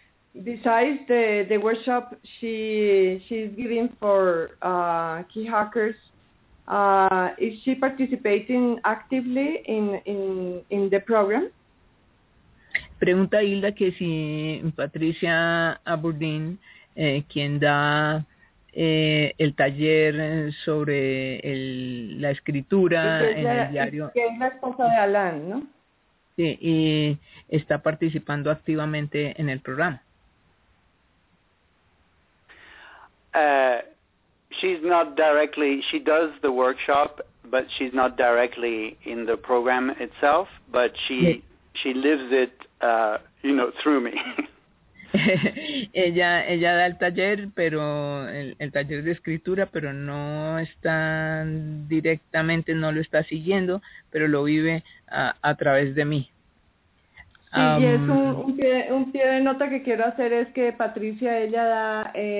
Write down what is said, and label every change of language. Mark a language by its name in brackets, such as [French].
[English] Besides the workshop she's giving for key hackers, is she participating actively in the program? [Spanish] Pregunta Hilda que si Patricia Aberdeen, quien da el taller sobre la escritura en el diario. Que es la esposa de Alan, ¿no? Sí, y está participando activamente en el programa. [English] She's not directly, she does the workshop, but she's not directly in the program itself, but she lives it, you know, through me. [Spanish] ella da el taller, pero el taller de escritura, pero no está directamente, no lo está siguiendo, pero lo vive a través de mí. Sí, y es un pie de nota que quiero hacer es que Patricia, ella da...